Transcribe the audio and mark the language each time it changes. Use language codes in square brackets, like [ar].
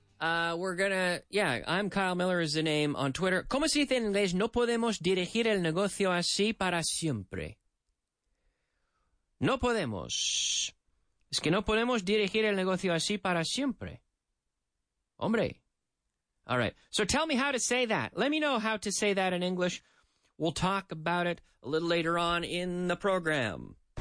[en] I'm Kyle Miller is the name on Twitter. [es] ¿Cómo se dice en inglés? No podemos dirigir el negocio así para siempre. No podemos. Es que no podemos dirigir el negocio así para siempre. [en] Hombre. All right. So tell me how to say that. Let me know how to say that in English. We'll talk about it a little later on in the program.